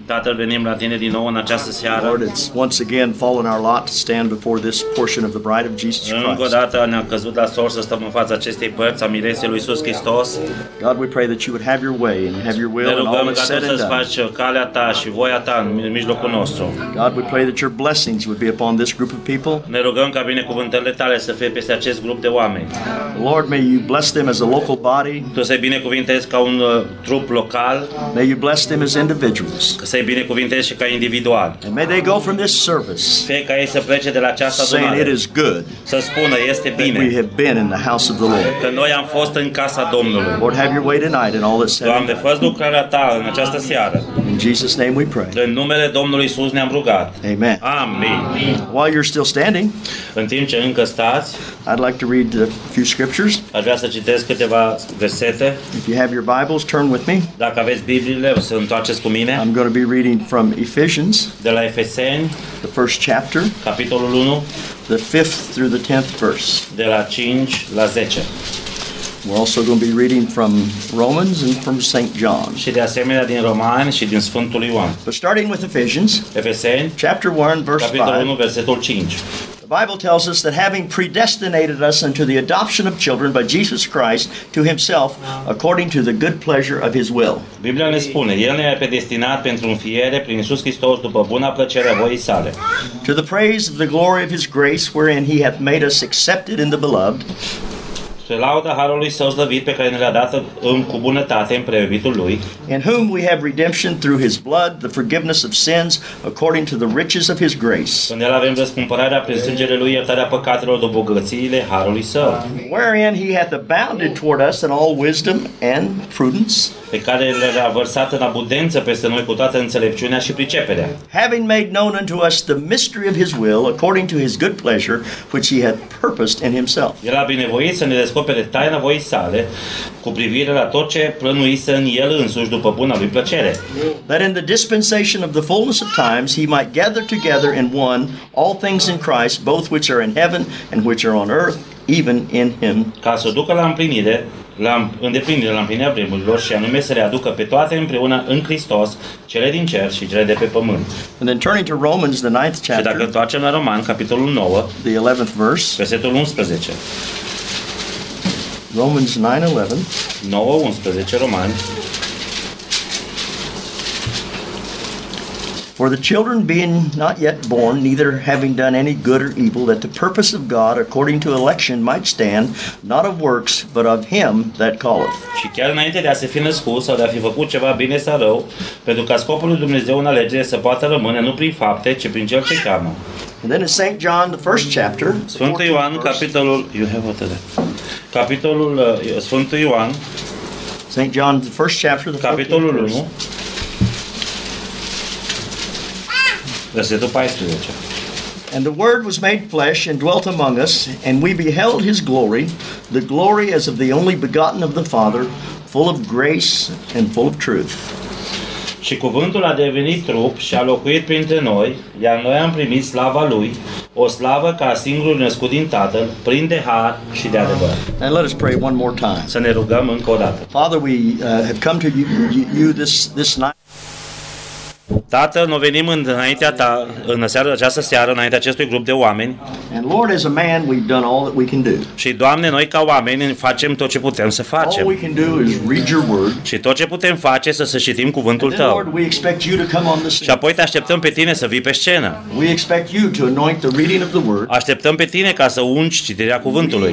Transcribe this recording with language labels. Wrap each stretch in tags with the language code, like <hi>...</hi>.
<ro>Tatăl, venim la tine din nou în această seară.</ro> <en>Lord, it's once again fallen our lot to stand before this portion of the bride of Jesus Christ.</en> <ro>Încă o dată ne-a căzut la sorți să stăm în fața acestei părți a miresei lui Iisus Hristos.</ro> <en>God, we pray that you would have your way and have your will and all that's said and done.</en> <ro>Ne rugăm ca Tu să-ți faci calea Ta și voia Ta în mijlocul nostru.</ro> <en>God, we pray that your blessings would be upon this group of people.</en> <ro>Ne rugăm ca binecuvântările Tale să fie peste acest grup de oameni.</ro> <en>Lord, may you bless them as a local body.</en> <ro>Tu să-i binecuvintezi ca un trup local.</ro> <en>May you bless them as individuals.</en> <ro>Că să-i binecuvintezi și ca individual.</ro> <en>And may they go from this service.</en> <ro>Fie ca ei să plece de la această adunare.</ro> <en>Saying it is good.</en> <ro>Să spună este bine.</ro> <en>We have been in the house of the Lord.</en> <ro>Că noi am fost în casa Domnului.</ro> <en>Lord, have your way tonight in all this.</en> <ro>Doamne, fă-ți lucrarea Ta în această seară.</ro> <en>In Jesus' name we pray.</en> <ro>În numele Domnului Iisus ne-am rugat.</ro> <en>Amen.</en> <ro>Amen.</ro> <en>While you're still standing.</en> <ro>În timp ce încă stați.</ro> <en>I'd like to read a few scriptures.</en> <ro>Aș vrea să citesc câteva versete.</ro> <en>If you have your Bibles, turn with me.</en> <ro>Dacă aveți Bibliile, o să întoarceți cu mine.</ro> <en>I'm going to be reading from Ephesians.</en> <ro>De la Efeseni.</ro> <en>The first chapter.</en> <ro>Capitolul 1.</ro> <en>The 5th through the 10th verse.</en> <ro>De la 5 la 10.</ro> <en>We're also going to be reading from Romans and from St. John.</en> <ro>Și de asemenea din Romani și din Sfântul Ioan.</ro> <en>But starting with Ephesians.</en> <ro>Efeseni.</ro> <en>Chapter 1, verse 5.</en> <ro>Capitolul 1, versetul 5.</ro> <en>The Bible tells us that having predestinated us unto the adoption of children by Jesus Christ to himself according to the good pleasure of his will.</en> <ro>Biblia ne spune, El ne-a predestinat pentru înfiere prin Iisus Hristos după buna plăcere a voii sale.</ro> <en>To the praise of the glory of his grace wherein he hath made us accepted in the beloved.</en> <ro>Spre lauda harului său slăvit pe care ne l-a dat în cu bunătate în preiubitul lui.</ro> <en>In whom we have redemption through his blood, the forgiveness of sins according to the riches of his grace.</en> <ro>În el avem răscumpărarea prin sângele lui, iertarea păcatelor după bogățiile harului său.</ro> <en>Wherein he hath abounded toward us in all wisdom and prudence.</en> <ro>Pe care le-a vărsat în abundență peste noi cu toată înțelepciunea și priceperea.</ro> <en>Having made known unto us the mystery of his will according to his good pleasure which he hath purposed in himself.</en> <ro>El a binevoit să ne descopere taina voii sale cu privire la tot ce plănuise în el însuși după buna lui plăcere.</ro> <en>That in the dispensation of the fullness of times he might gather together in one all things in Christ, both which are in heaven and which are on earth, even in him.</en> <ro>Ca să ducă la împlinire la împlinirea vremurilor și anume să le aducă pe toate împreună în Hristos, cele din cer și cele de pe pământ.</ro> <en>And then turning to Romans, the 9th chapter.</en> <ro>Și dacă întoarcem la Roman, capitolul 9,</ro> <en>the 11th verse.</en> <ro>Versetul 11.</ro> <en>Romans 9:11.</en> <ro>9:11 Roman.</ro> <en>For the children being not yet born, neither having done any good or evil, that the purpose of God according to election might stand, not of works, but of him that calleth.</en> <ro>Și chiar înainte de a se fi născut sau de a fi făcut ceva bine sau rău, pentru ca scopul lui Dumnezeu în alegere să poată rămâne nu prin fapte, ci prin cel ce cheamă.</ro> <en>And then in St. John, the first chapter,</en> <ro>Sfântul Ioan, capitolul,</ro> <en>you have what there?</en> <ro>Capitolul Sfântul Ioan,</ro> <en>St. John, the first chapter, the</en> <ro>capitolul 1, versetul 14.</ro> <en>And the word was made flesh and dwelt among us, and we beheld his glory, the glory as of the only begotten of the Father, full of grace and full of truth.</en> <ro>Și cuvântul a devenit trup și a locuit printre noi, iar noi am primit slava lui, o slavă ca a singurul născut din Tatăl, plin de har și de adevăr.</ro> <en>And let us pray one more time.</en> <ro>Să ne rugăm încă o dată.</ro> <en>Father, we have come to you this night.</en> <ro>Tată, noi venim înaintea ta în seara această seară înaintea acestui grup de oameni.</ro> <en>And Lord, as a man, we've done all that we can do.</en> <ro>Și Doamne, noi ca oameni facem tot ce putem să facem.</ro> <en>All we can do is read your word.</en> <ro>Și tot ce putem face este să citim cuvântul tău.</ro> <en>Lord, we expect you to come on the scene.</en> <ro>Și apoi te așteptăm pe tine să vii pe scenă.</ro> <en>We expect you to anoint the reading of the word.</en> <ro>Așteptăm pe tine ca să ungi citirea cuvântului.</ro>